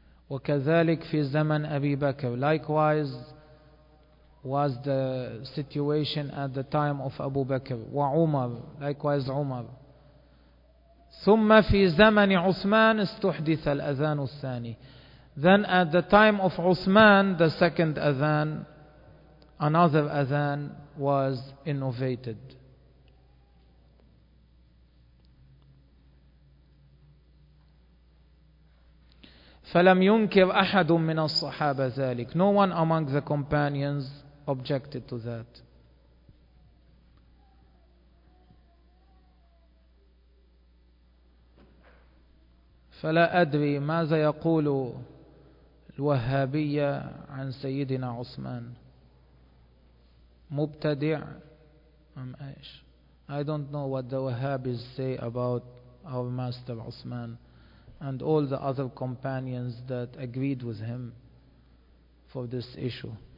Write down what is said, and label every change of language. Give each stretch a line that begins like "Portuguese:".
Arabic: وكذلك في زمن أبي بكر.
English: Likewise was the situation at the time of Abu Bakr.
Arabic: وعمر,
English: likewise
Arabic: عمر. ثم في زمن عثمان استحدث الأذان الثاني.
English: Then at the time of عثمان, the second Adhan, another Adhan was innovated.
Arabic: فلم ينكر أحد من الصحابة ذلك.
English: No one among the companions objected to that.
Arabic: فلا أدري ماذا يقول الوهابية عن سيدنا عثمان، مبتدع أم إيش؟
English: I don't know what the Wahhabis say about our master Uthman and all the other companions that agreed with him. for this issue?